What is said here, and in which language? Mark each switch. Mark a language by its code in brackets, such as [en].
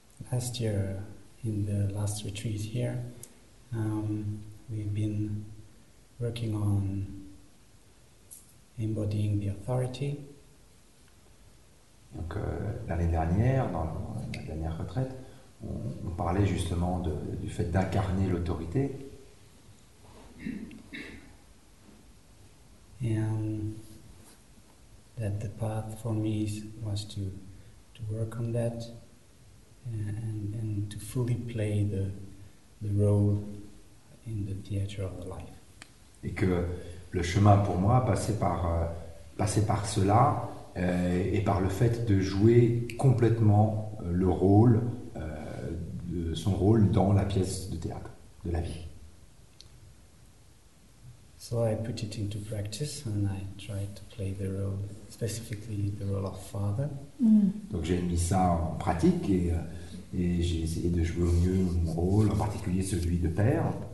[en] Last year, in the last retreat here, we've been working on embodying the authority. [fr] Donc l'année dernière, dans la dernière retraite, on parlait justement du fait d'incarner l'autorité. [en] And that the path for me was to work on that. And to fully play the role in the theater of the life. [fr] Et que le chemin pour moi passait par cela et par le fait de jouer complètement le rôle de son rôle dans la pièce de théâtre de la vie. [en] So I put it into practice and I tried to play the role, specifically the role of father. [fr] Donc j'ai mis ça en pratique et j'ai essayé de jouer au mieux mon rôle, en particulier celui de père.